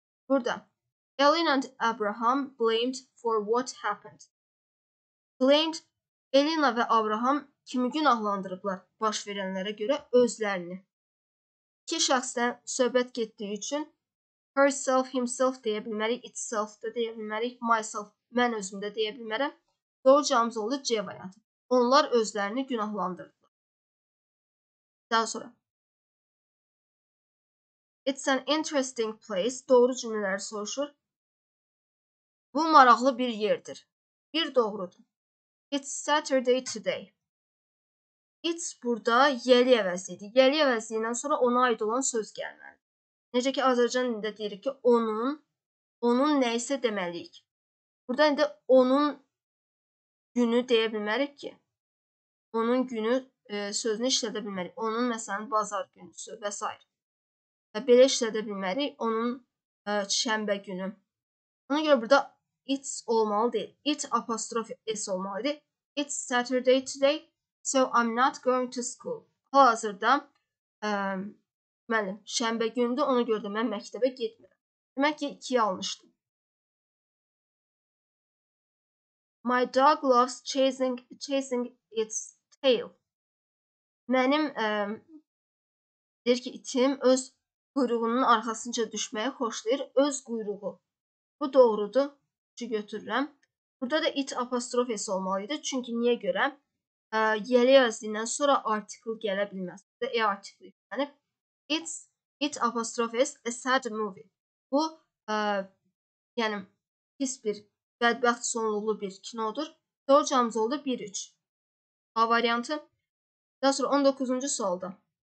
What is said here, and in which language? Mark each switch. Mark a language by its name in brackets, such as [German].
[Azerbaijani] Burada, [English] Ellen and Abraham blamed for what happened. [Azerbaijani] Blamed, Elena və Abraham kimi günahlandırıblar baş verənlərə görə özlərini. İki şəxsdən söhbət getdiyi üçün herself, himself deyə bilmərik, itself də deyə bilmərik, myself, mən özümdə deyə bilmərəm. Doğru cavabımız oldu C variantı. Onlar özlərini günahlandırdılar. Daha sonra. [English] It's an interesting place. [Azerbaijani] Doğru cümlələri soruşur. Bu maraqlı bir yerdir. Bir doğrudur. [English] It's Saturday today. [Azerbaijani] It's burada yerli əvəzliydi. Yerli əvəzliyindən sonra ona aid olan söz gəlməli. Necə ki, Azərbaycan dilində deyirik ki, onun nə isə deməliyik. Burada indi onun günü deyə bilmərik ki, onun günü sözünü işlədə bilmərik. Onun, məsələn, bazar günüsü və s. Və belə işlədə bilmərik, onun şənbə günü. Ona görə burada it's olmalı deyil. It apostrof s olmalıdır. [English] It's Saturday today, so I'm not going to school. [Azerbaijani] Hal-hazırda müəllim, şənbə günündə ona görə də mən məktəbə getmirəm. Demək ki, 2-yə almışdım. [English] My dog loves chasing its tail. [Azerbaijani] Mənim deyir ki, itim öz quyruğunun arxasınca düşməyi xoşlayır. Öz quyruğu. Bu doğrudur. Çünki götürürəm. Burada da it apostrof s olmalıydı. Çünki niyə görə? Yerli yazdığından sonra artikl gələ bilməz. Burada e artikli yüklənib. It apostrof s [English] a sad movie. [Azerbaijani] Bu yəni pis bir, bədbəxt sonluqlu bir kinodur. Doğru cavabımız oldu 1-3. A variantı. Daha sonra 19. solda.